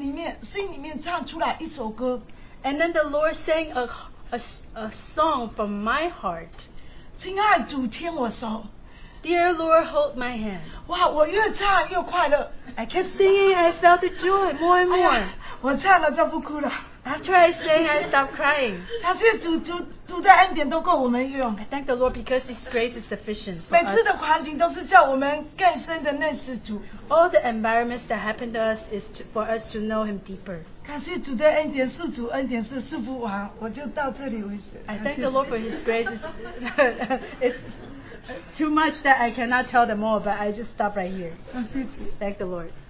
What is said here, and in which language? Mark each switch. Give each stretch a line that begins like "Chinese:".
Chinese: 然后主耶稣就从圣灵里面，心里面唱出来一首歌。
English: And then the Lord sang a song from my heart.
Chinese: 亲爱主牵我手。
English: Dear Lord, hold my hand.
Chinese: 哇，我越唱越快乐。
English: I kept singing, I felt the joy more and more.
Chinese: 哎呀，我唱了就不哭了。
English: After I sang, I stopped crying.
Chinese: 他是主的恩典都够我们用。
English: I thank the Lord because His grace is sufficient.
Chinese: 每次的环境都是叫我们更深的认识主。
English: All the environments that happen to us is for us to know Him deeper.
Chinese: 感谢主的恩典，是主恩典，是赐福完，我就到这里为止。
English: I thank the Lord for His grace. It's too much that I cannot tell them all, but I just stop right here.
Chinese: 感谢主。
English: Thank the Lord.